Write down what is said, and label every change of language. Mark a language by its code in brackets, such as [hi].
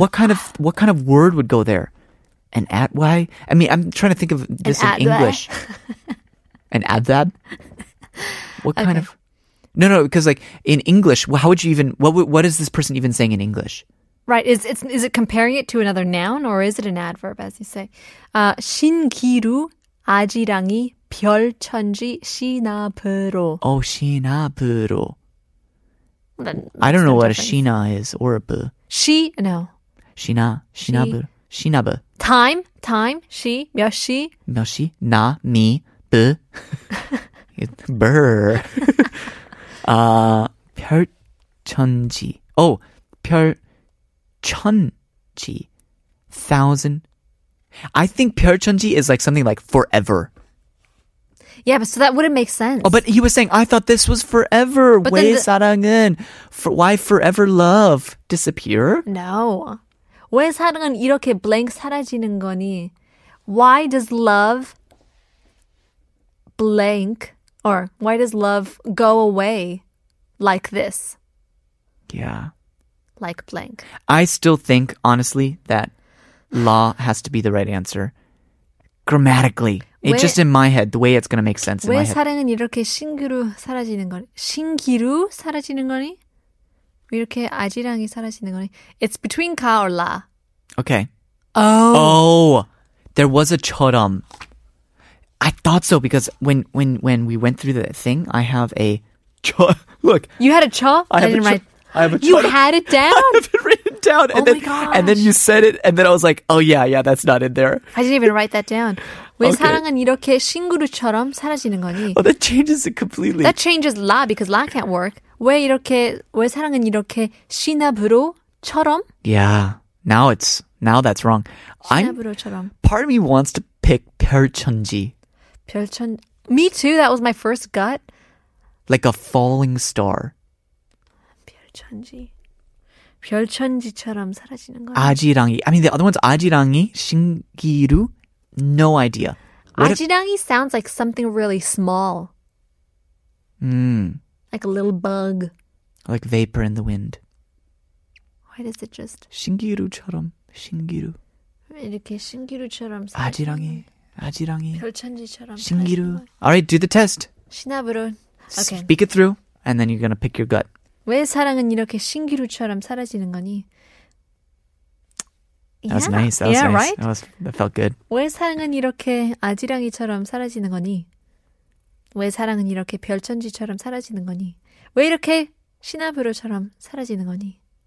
[en] what kind of word would go there? An at why? I mean, I'm trying to think of this in English. An adverb. What kind of? No, because like in English, how would you even what is this person even saying in English? Right. Is it comparing it to another noun or is it an adverb as you say? [ko] 신기루 아지랑이 별천지 시나부로. Oh, 시나부로. [en] I don't know what a shina is or a bu. She, no. Shina, shinabu, shinabu. Time, she, 몇 시. 몇 시, na, mi, bu. Burr. [ko] 별천지. Oh, 별천지. 1,000. [en] I think 별천지 is like something like forever. Yeah, but so that wouldn't make sense. Oh, but he was saying, I thought this was forever. 왜 사랑은, why forever love disappear? [ko] No. 왜 사랑은 이렇게 blank 사라지는 거니? [en] Why does love blank, or why does love go away like this? Yeah. Like blank. I still think, honestly, that law has to be the right answer. Grammatically. It's just in my head, the way it's going to make sense in my head. [ko] 왜 사랑은 이렇게 신기루 사라지는 거니? 신기루 사라지는 거니? 이렇게 아지랑이 사라지는 거니? [en] It's between 가 or 라. Okay. Oh. Oh. There was a 처럼. I thought so because when we went through the thing, I have a 처. Look. You had a 처? I didn't write. I have a 처. You had it down? I have it written down. Oh and my then, gosh. And then you said it and then I was like, oh yeah, that's not in there. I didn't even write that down. 왜 okay. [ko] 사랑은 이렇게 신구루처럼 사라지는 거니? [en] Oh, that changes it completely. That changes 라 because 라 can't work. [ko] 왜 사랑은 이렇게 시나부로처럼? [en] Yeah, now that's wrong. [ko] 시나부로처럼. [en] Part of me wants to pick 별천지. 별천. Me too. That was my first gut. Like a falling star. [ko] 별천. 별천지. 별천지처럼 사라지는 거. [en] 아지랑이. I mean the other one's 아지랑이, 신기루. No idea. 아지랑이 sounds like something really small. Mm. Like a little bug. Like vapor in the wind. Why does it just [ko] 신기루처럼 신기루. 이렇게 신기루처럼 아지랑이. 아지랑이. 별천지처럼 [en] 신기루. All right, do the test. [ko] 신하부론. [en] Okay. Speak it through and then you're going to pick your gut. [ko] 왜 사랑은 이렇게 신기루처럼 사라지는 거니? [en] That was nice. That was yeah, nice. Right? That felt good. [ko] 왜 사랑은 이렇게 아지랑이처럼 사라지는 거니? 왜 사랑은 이렇게 별천지처럼 사라지는 거니? 왜 이렇게 신하부로처럼 사라지는 거니?